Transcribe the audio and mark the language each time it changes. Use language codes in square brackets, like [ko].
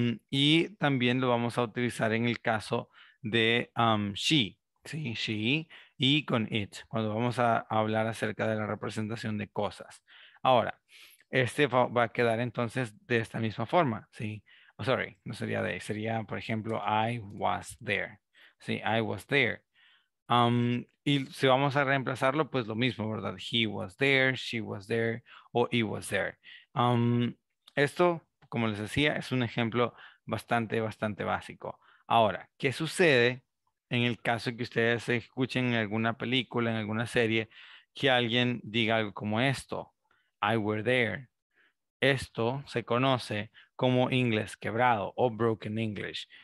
[es] Y también lo vamos a utilizar en el caso de she, ¿sí?, she, y con it, cuando vamos a hablar acerca de la representación de cosas. Ahora, este va a quedar entonces de esta misma forma, ¿sí? [en] Oh, sorry, [es] no sería de, sería, por ejemplo, [en] I was there, [es] ¿sí? [en] I was there. [es] Y si vamos a reemplazarlo, pues lo mismo, ¿verdad? [en] He was there, she was there, o he was there. [es] Esto, como les decía, es un ejemplo bastante, bastante básico. Ahora, ¿qué sucede en el caso que ustedes escuchen en alguna película, en alguna serie, que alguien diga algo como esto? [en] I were there. [es] Esto se conoce como inglés quebrado o broken English.